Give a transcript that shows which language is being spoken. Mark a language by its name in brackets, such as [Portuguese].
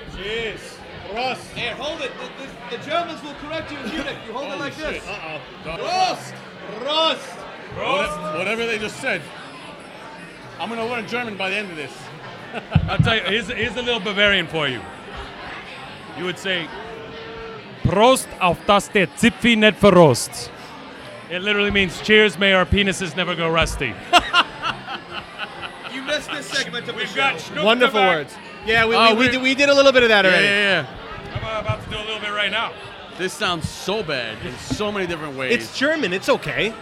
[English] Jeez. Prost. Hey, hold it. The Germans will correct you in Munich. You hold it like shit. This. Uh-oh. Prost. Prost. Prost. Whatever they just said. I'm going to learn German by the end of this. I'll tell you, here's a little Bavarian for you. You would say, [Bavarian] Prost auf das der Zipfi nicht verrost. [English] It literally means, cheers, may our penises never go rusty. You missed this segment of the show. Wonderful words. Yeah, we did a little bit of that already. Yeah, yeah, yeah. I'm about to do a little bit right now. This sounds so bad in so many different ways. It's German. It's okay.